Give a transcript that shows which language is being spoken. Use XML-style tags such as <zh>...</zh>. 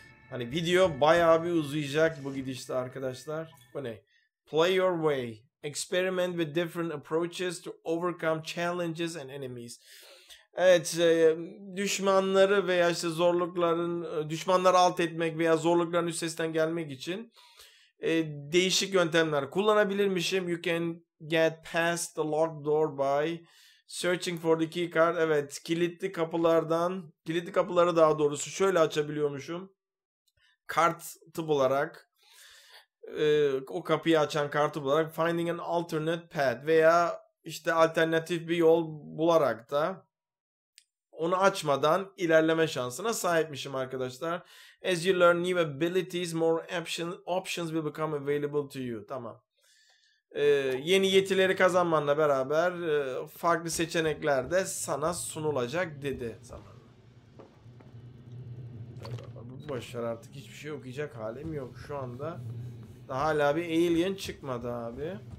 <tr>Hani video bayağı bir uzayacak bu gidişte arkadaşlar. Bu ne?</tr> <en>Play your way. Experiment with different approaches to overcome challenges and enemies.</en> <tr>Evet, düşmanları veya işte zorlukların, düşmanları alt etmek veya zorlukların üstesinden gelmek için değişik yöntemler kullanabilirmişim.</tr> <en>You can get past the locked door by... Searching for the key card.</en> <tr>Evet, kilitli kapılardan, kilitli kapıları daha doğrusu şöyle açabiliyormuşum. Kartı bularak, o kapıyı açan kartı bularak,</tr> <en>finding an alternate path</en> <tr>veya işte alternatif bir yol bularak da onu açmadan ilerleme şansına sahipmişim arkadaşlar.</tr> <en>As you learn new abilities, more options will become available to you.</en> <tr>Tamam. Yeni yetileri kazanmanla beraber farklı seçenekler de sana sunulacak dedi. Bu başlar artık hiçbir şey okuyacak halim yok şu anda. Daha hala bir alien çıkmadı abi.</tr>